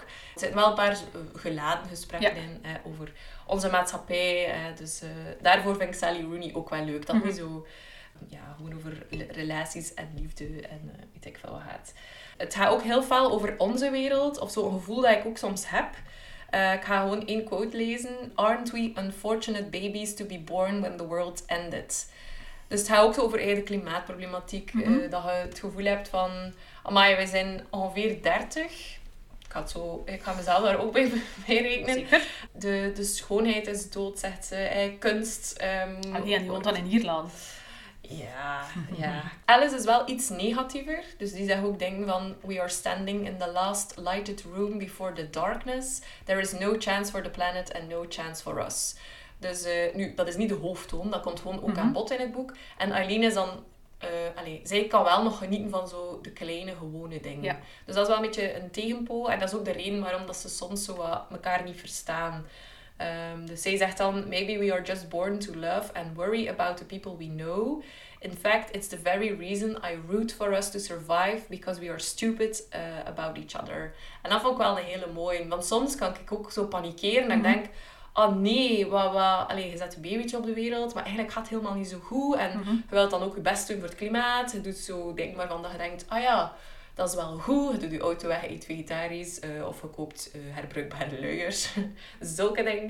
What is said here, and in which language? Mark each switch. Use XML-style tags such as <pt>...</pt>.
<nl>Er zitten wel een paar geladen gesprekken in over onze maatschappij. Dus daarvoor vind ik Sally Rooney ook wel leuk. Dat hij zo gewoon over relaties en liefde en weet ik veel wat gaat. Het gaat ook heel veel over onze wereld, of zo'n gevoel dat ik ook soms heb. Ik ga gewoon één quote lezen.</nl> <en>Aren't we unfortunate babies to be born when the world ended?</en> <nl>Dus het gaat ook zo over de klimaatproblematiek. Mm-hmm. Dat je het gevoel hebt van, amai, we zijn ongeveer 30. Ik ga mezelf daar ook bij rekenen. De schoonheid is dood, zegt ze. Kunst. Die woont dan in Ierland. Ja. Alice is wel iets negatiever. Dus die zegt ook dingen van,</nl> <en>we are standing in the last lighted room before the darkness. There is no chance for the planet and no chance for us.</en> <nl>Dus nu, dat is niet de hoofdtoon. Dat komt gewoon ook aan bod in het boek. En Eileen is dan, zij kan wel nog genieten van zo de kleine, gewone dingen. Ja. Dus dat is wel een beetje een tegenpool. En dat is ook de reden waarom dat ze soms zo wat elkaar niet verstaan. Dus zij zegt dan,</nl> <en>maybe we are just born to love and worry about the people we know. In fact, it's the very reason I root for us to survive, because we are stupid about each other.</en> <nl>En dat vond ik wel een hele mooie, want soms kan ik ook zo panikeren en ik denk, oh nee, je zet een babytje op de wereld, maar eigenlijk gaat het helemaal niet zo goed. En je wilt dan ook je best doen voor het klimaat, je doet zo dingen waarvan je denkt, ah ja, dat is wel goed. Je doet je auto weg, eet vegetarisch. Of je koopt herbruikbare luiers. Zulke dingen.</nl>